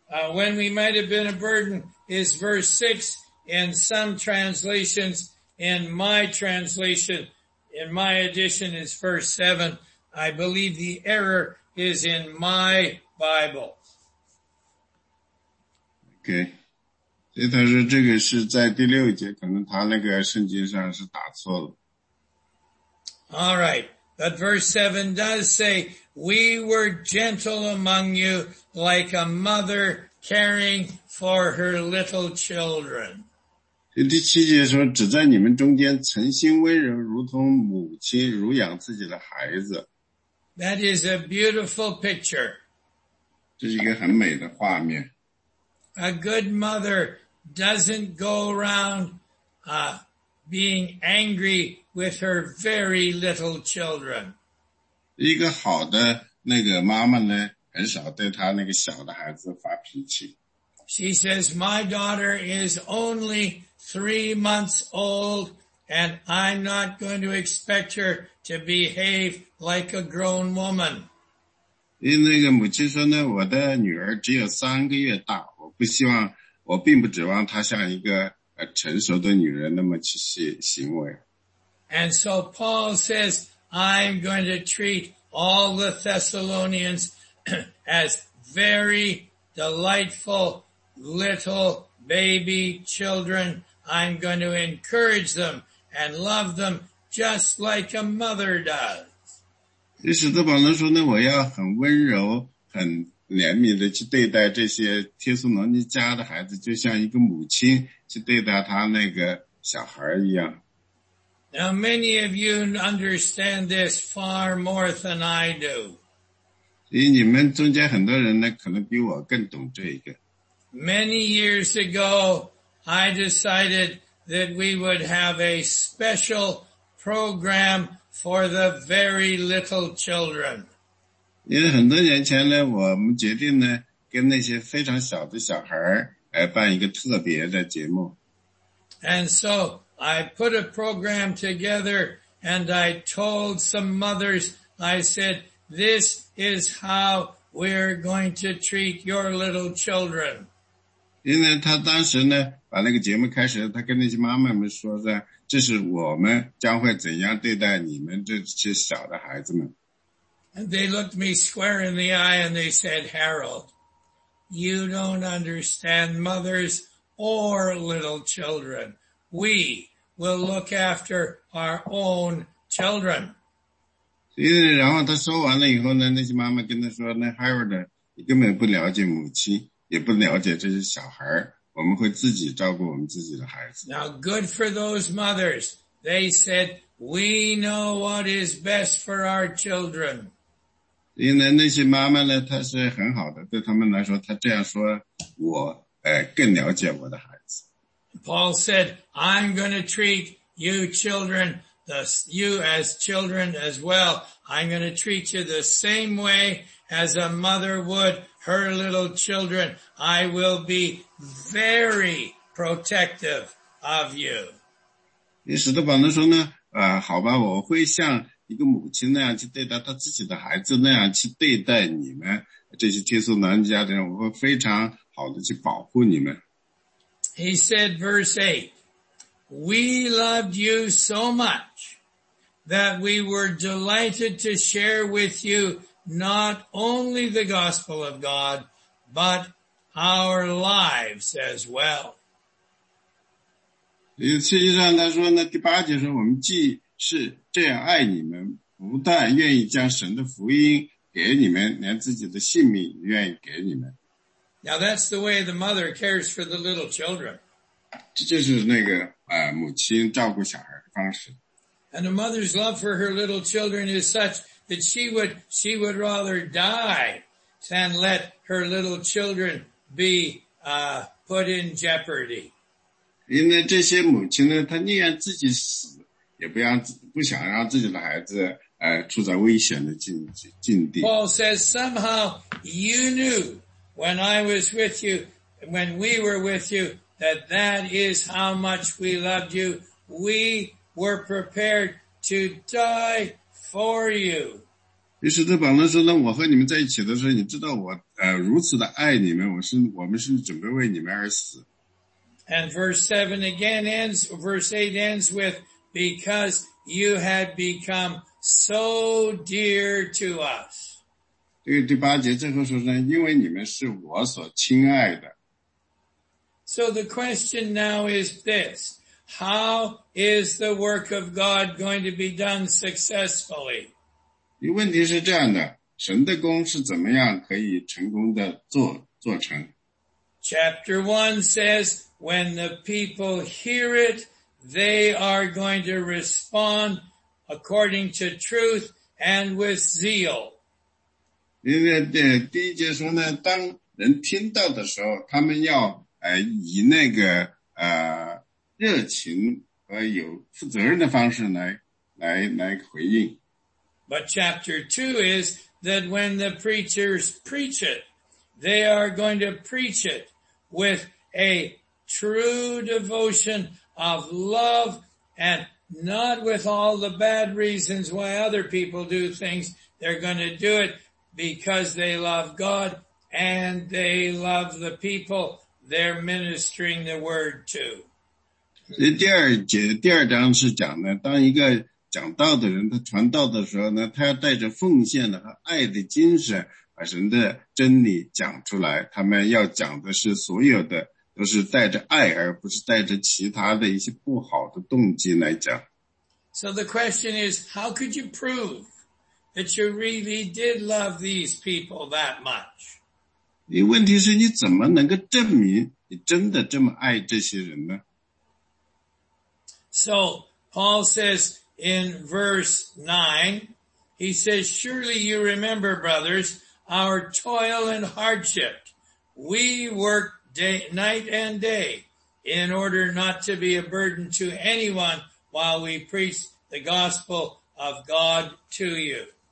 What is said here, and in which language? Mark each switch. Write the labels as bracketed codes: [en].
[en] When we might have been a burden is verse 6. In some translations, in my translation, in my edition is verse 7. I believe the error is in my Bible. Okay. [zh] 所以他说这个是在第六节，可能他那个圣经上是打错了。 [en] All right. But verse 7 does say, we were gentle among you like a mother caring for her little children. [zh] 第七节说只在你们中间诚心温柔如同母亲乳养自己的孩子。 [en] That is a beautiful picture. [zh] 这是一个很美的画面。 [en] A good mother doesn't go around, being angry with her very little children. [zh] 一个好的那个妈妈呢很少对她那个小的孩子发脾气。 [en] She says, my daughter is only 3 months old, and I'm not going to expect her to behave like a grown woman. [zh] 因为那个母亲说呢，我的女儿只有三个月大，我不希望，我并不指望她像一个成熟的女人那么去行为。 [en] And so Paul says, I'm going to treat all the Thessalonians as very delightful little baby children. I'm going to encourage them and love them just like a mother does. [zh] 于是德保罗说呢，我要很温柔很怜悯的去对待这些提斯罗尼家的孩子，就像一个母亲去对待他那个小孩一样。 [en] Now many of you understand this far more than I do. [zh] 所以你们中间很多人呢，可能比我更懂这一个。 [en] Many years ago, I decided that we would have a special program for the very little children. [zh] 因为很多年前呢，我们决定呢，跟那些非常小的小孩儿，办一个特别的节目。 [en] And so I put a program together and I told some mothers, I said, this is how we're going to treat your little children. [zh] 因为他当时呢把那个节目开始他跟那些妈妈们说的这是我们将会怎样对待你们这些小的孩子们。 [en] And they looked me square in the eye and they said, Harold, you don't understand mothers or little children. We will look after our own children. [zh] 所以然后他说完了以后呢那些妈妈跟他说那 Harold, 你根本不了解母亲。也不了解这些小孩我们会自己照顾我们自己的孩子。 [en] Now good for those mothers. They said, we know what is best for our children. [zh] 因为那些妈妈呢她是很好的对他们来说她这样说我更了解我的孩子。 [en] Paul said, I'm going to treat you children, you as children as well. I'm going to treat you the same way as a mother would her little children, I will be very protective of you. [zh] 于是保罗说呢，好吧，我会像一个母亲那样去对待他自己的孩子那样去对待你们这些天主男家的人，我会非常好的去保护你们。 [en] He said, verse 8, we loved you so much that we were delighted to share with you not only the gospel of God, but our lives as well. [zh] 实际上他说呢第八节说我们既是这样爱你们不但愿意将神的福音给你们连自己的性命也愿意给你们。 [en] Now that's the way the mother cares for the little children. [zh] 这就是那个母亲照顾小孩的方式。 [en] And a mother's love for her little children is such that she would rather die than let her little children be, put in jeopardy. [zh] 因为这些母亲呢她宁愿自己死也不想让自己的孩子处在危险的境地。 [en] Paul says, somehow you knew when I was with you, when we were with you, that is how much we loved you. We were prepared to die for you. [zh] 于是这保罗说呢我和你们在一起的时候你知道我如此的爱你们我们是准备为你们而死。 [en] And verse 8 ends with, because you had become so dear to us. [zh] 这个第八节最后说呢因为你们是我所亲爱的。 [en] So the question now is this, how is the work of God going to be done successfully? [zh] 问题是这样的,神的工是怎么样可以成功的做成? [en] Chapter 1 says, when the people hear it, they are going to respond according to truth and with zeal. [zh] 因为第一节说呢,当人听到的时候,他们要以那个热情和有负责任的方式来回应。 [en] But chapter 2 is that when the preachers preach it, they are going to preach it with a true devotion of love and not with all the bad reasons why other people do things. They're going to do it because they love God and they love the people they're ministering the word to. [zh] 第二章是讲的当一个讲道的人他传道的时候呢他要带着奉献的和爱的精神把神的真理讲出来他们要讲的是所有的都是带着爱而不是带着其他的一些不好的动机来讲。 [en] So the question is, how could you prove that you really did love these people that much? [zh] 你问题是你怎么能够证明你真的这么爱这些人呢? [en] So, Paul says, in verse 9, he says, surely you remember, brothers, our toil and hardship. We worked day, night and day in order not to be a burden to anyone while we preached the gospel of God to you.